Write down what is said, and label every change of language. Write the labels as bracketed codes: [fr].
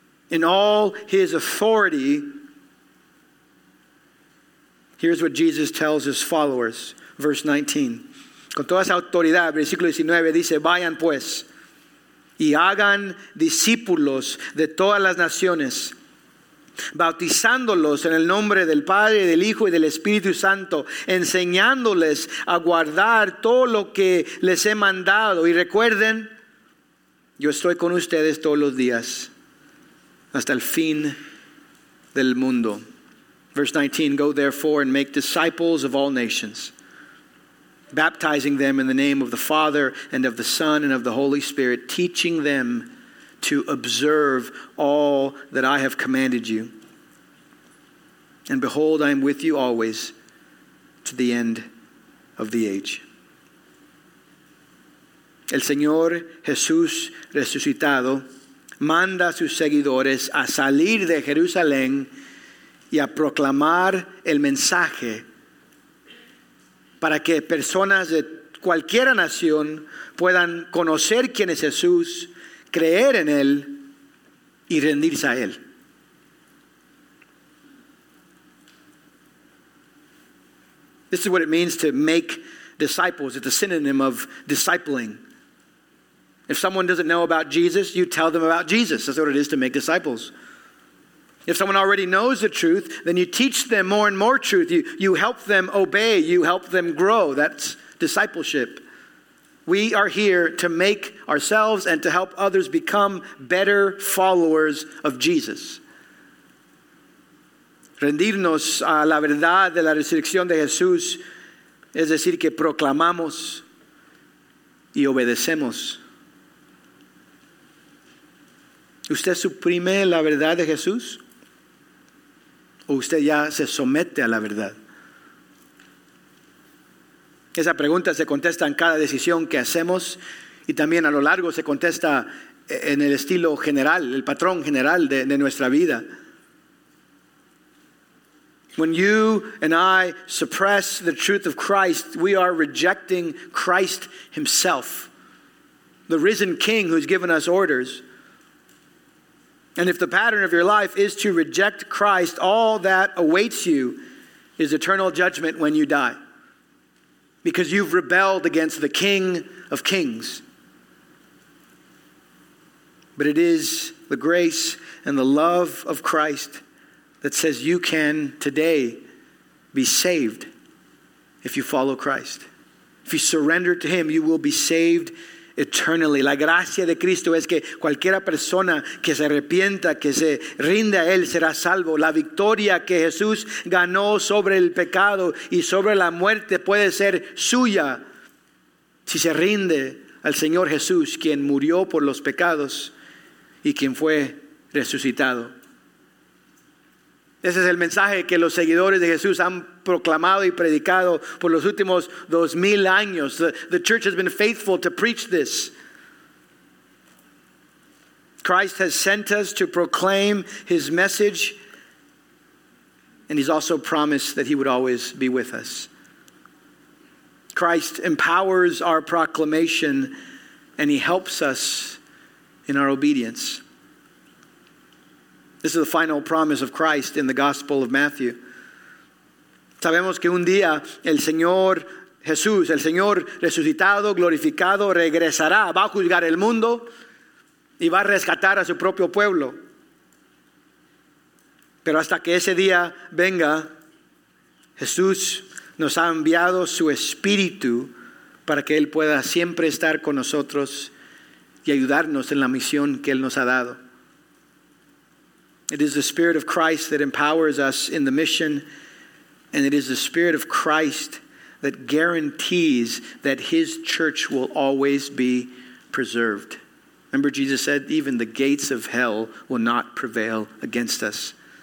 [en] In all his authority, here's what Jesus tells his followers. Verse 19. [es] Con toda esa autoridad, versículo 19 dice, vayan pues y hagan discípulos de todas las naciones, bautizándolos en el nombre del Padre, del Hijo y del Espíritu Santo, enseñándoles a guardar todo lo que les he mandado. Y recuerden, yo estoy con ustedes todos los días hasta el fin del mundo. [en] Verse 19, go therefore and make disciples of all nations, baptizing them in the name of the Father and of the Son and of the Holy Spirit, teaching them to observe all that I have commanded you. And behold, I am with you always to the end of the age. [es] El Señor Jesús resucitado manda a sus seguidores a salir de Jerusalén y a proclamar el mensaje para que personas de cualquier nación puedan conocer quién es Jesús, creer en Él y rendirse a Él. [en] This is what it means to make disciples. It's a synonym of discipling. If someone doesn't know about Jesus, you tell them about Jesus. That's what it is to make disciples. If someone already knows the truth, then you teach them more and more truth. You help them obey. You help them grow. That's discipleship. We are here to make ourselves and to help others become better followers of Jesus. [es] Rendirnos a la verdad de la resurrección de Jesús es decir que proclamamos y obedecemos. ¿Usted suprime la verdad de Jesús? ¿O usted ya se somete a la verdad? Esa pregunta se contesta en cada decisión que hacemos y también a lo largo se contesta en el estilo general, el patrón general de nuestra vida. [en] When you and I suppress the truth of Christ, we are rejecting Christ himself, the risen King who's given us orders. And if the pattern of your life is to reject Christ, all that awaits you is eternal judgment when you die. Because you've rebelled against the King of Kings. But it is the grace and the love of Christ that says you can today be saved if you follow Christ. If you surrender to Him, you will be saved eternally. [es] La gracia de Cristo es que cualquiera persona que se arrepienta, que se rinde a Él, será salvo. La victoria que Jesús ganó sobre el pecado y sobre la muerte puede ser suya si se rinde al Señor Jesús, quien murió por los pecados y quien fue resucitado. Ese es el mensaje que los seguidores de Jesús han proclamado y predicado por los últimos 2,000 años. [en] The church has been faithful to preach this. Christ has sent us to proclaim his message, and he's also promised that he would always be with us. Christ empowers our proclamation, and he helps us in our obedience. This is the final promise of Christ in the Gospel of Matthew. [es] Sabemos que un día el Señor Jesús, el Señor resucitado, glorificado, regresará, va a juzgar el mundo y va a rescatar a su propio pueblo. Pero hasta que ese día venga, Jesús nos ha enviado su Espíritu para que Él pueda siempre estar con nosotros y ayudarnos en la misión que Él nos ha dado. [en] It is the Spirit of Christ that empowers us in the mission, and it is the Spirit of Christ that guarantees that his church will always be preserved. Remember, Jesus said, even the gates of hell will not prevail against us.